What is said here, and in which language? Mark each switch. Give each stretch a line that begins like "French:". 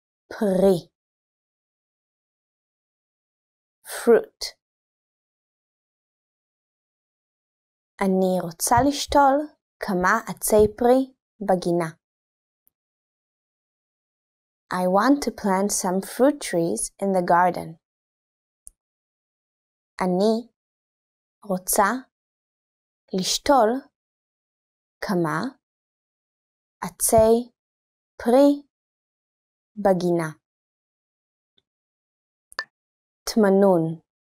Hebrew: פרי.
English: Fruit.
Hebrew: אני רוצה לשתול כמה עצי פרי בגינה.
English: I want to plant some fruit trees in the garden.
Hebrew: אני רוצה לשתול כמה עצי פרי בגינה. תמנון.